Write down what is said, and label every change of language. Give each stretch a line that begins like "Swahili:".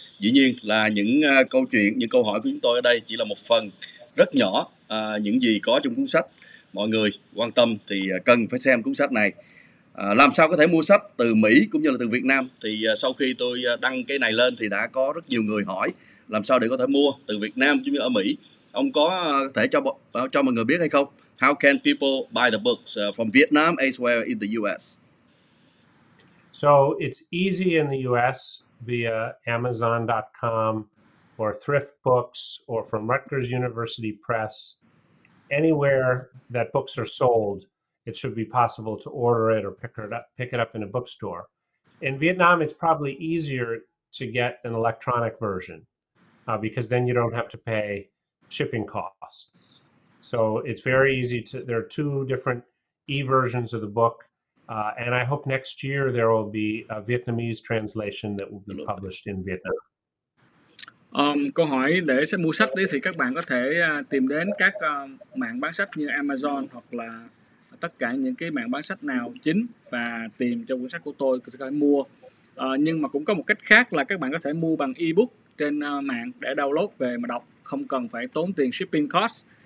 Vietnamese: Dĩ nhiên là những câu chuyện, những câu hỏi của chúng tôi ở đây chỉ là một phần rất nhỏ những gì có trong cuốn sách. Mọi người quan tâm thì cần phải xem cuốn sách này. Làm sao có thể mua sách từ Mỹ cũng như là từ Việt Nam? Thì sau khi tôi đăng cái này lên thì đã có rất nhiều người hỏi làm sao để có thể mua từ Việt Nam cũng như ở Mỹ. Ông có thể cho mọi người biết hay không?
English: How can people buy the books from Vietnam as well in the US? So it's easy in the US via Amazon.com or Thrift Books or from Rutgers University Press. Anywhere that books are sold, it should be possible to order it or pick it up in a bookstore. In Vietnam, it's probably easier to get an electronic version because then you don't have to pay shipping costs. So it's very easy to, there are two different e-versions of the book. And I hope next year there will be a Vietnamese translation that will be published in Vietnam.
Vietnamese: Câu hỏi để sẽ mua sách đi thì các bạn có thể tìm đến các mạng bán sách như Amazon hoặc là tất cả những cái mạng bán sách nào chính và tìm cho cuốn sách của tôi có thể mua. Nhưng mà cũng có một cách khác là các bạn có thể mua bằng ebook trên mạng để download về mà đọc, không cần phải tốn tiền
English: shipping cost.